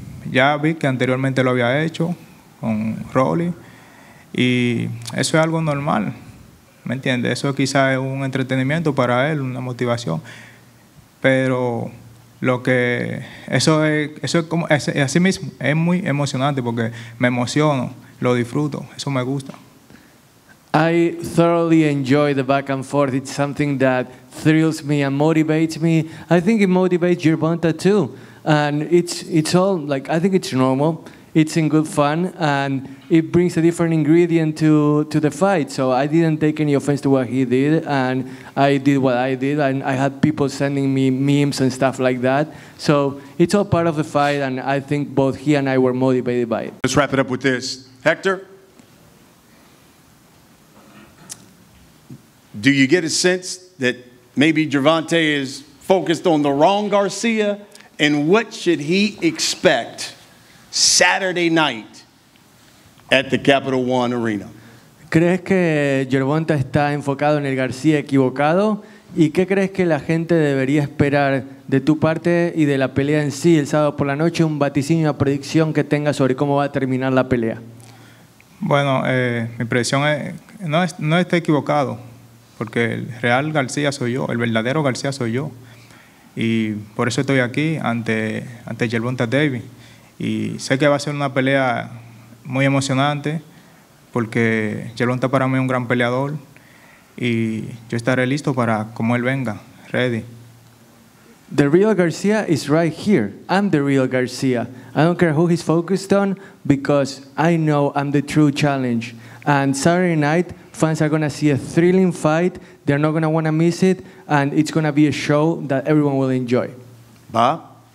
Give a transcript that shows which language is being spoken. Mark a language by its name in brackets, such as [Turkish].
[Spanish] Ya vi que anteriormente lo había hecho con Rolly y eso es algo normal, ¿me entiendes? Eso quizás es un entretenimiento para él, una motivación, pero lo que eso es como es así mismo, es muy emocionante porque me emociono, lo disfruto, eso me gusta. [English] I thoroughly enjoy the back and forth. It's something that thrills me and motivates me. I think it motivates Gervonta too. And it's all like, I think it's normal. It's in good fun and it brings a different ingredient to the fight. So I didn't take any offense to what he did and I did what I did and I had people sending me memes and stuff like that. So it's all part of the fight and I think both he and I were motivated by it. Let's wrap it up with this. Hector? Do you get a sense that maybe Gervonta is focused on the wrong Garcia? And what should he expect Saturday night at the Capital One Arena? [Spanish] ¿Crees que Gervonta está enfocado en el García equivocado? ¿Y qué crees que la gente debería esperar de tu parte y de la pelea en sí el sábado por la noche? ¿Un vaticinio, una predicción que tengas sobre cómo va a terminar la pelea? Bueno, mi predicción es no está equivocado, porque el real García soy yo, el verdadero García soy yo. Y por eso estoy aquí ante Gervonta Davis. Y sé que va a ser una pelea muy emocionante porque Gervonta para mí es un gran peleador y yo estaré listo para como él venga, ready. [English] The real Garcia is right here. I'm the real Garcia. I don't care who he's focused on because I know I'm the true challenge. And Saturday night, fans are going to see a thrilling fight. They're not going to want to miss it. And it's going to be a show that everyone will enjoy. Bob?